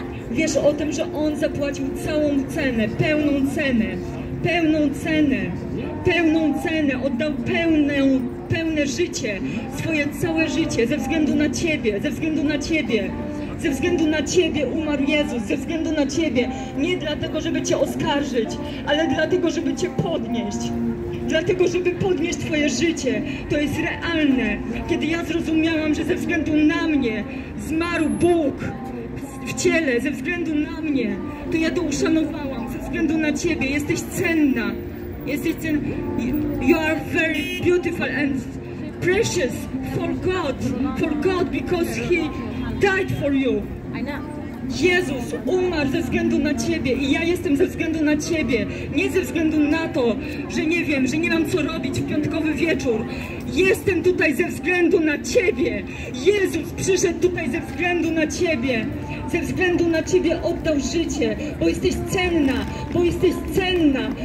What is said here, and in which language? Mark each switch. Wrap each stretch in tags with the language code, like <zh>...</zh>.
<pl>Wiesz o tym, że On zapłacił całą cenę, pełną cenę, pełną cenę, pełną cenę, oddał pełne życie, swoje całe życie, ze względu na ciebie, ze względu na ciebie, ze względu na ciebie umarł Jezus, ze względu na ciebie, nie dlatego, żeby cię oskarżyć, ale dlatego, żeby cię podnieść. Dlatego, żeby podnieść twoje życie. To jest realne. Kiedy ja zrozumiałam, że ze względu na mnie zmarł Bóg w ciele, ze względu na mnie, to ja to uszanowałam. Ze względu na ciebie. Jesteś cenna. Jesteś cenna.</pl> <en>You are very beautiful and precious for God. For God, because He died for you.</en> <pl>Jezus umarł ze względu na ciebie i ja jestem ze względu na ciebie. Nie ze względu na to, że nie wiem, że nie mam co robić w piątkowy wieczór. Jestem tutaj ze względu na ciebie. Jezus przyszedł tutaj ze względu na ciebie. Ze względu na ciebie oddał życie, bo jesteś cenna, bo jesteś cenna.</pl>